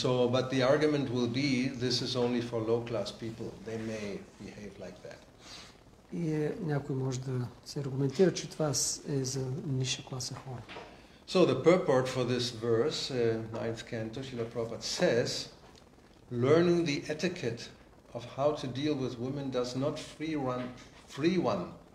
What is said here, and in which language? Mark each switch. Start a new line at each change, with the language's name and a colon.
English: But the argument will be this is only for low class people. They may behave like that.
Bulgarian: И някой може да се аргументира, че това е за ниша класа хора.
English: So the purport for this verse, 9th canto, Srila Prabhupada says, learning the etiquette of how to deal with women does not free one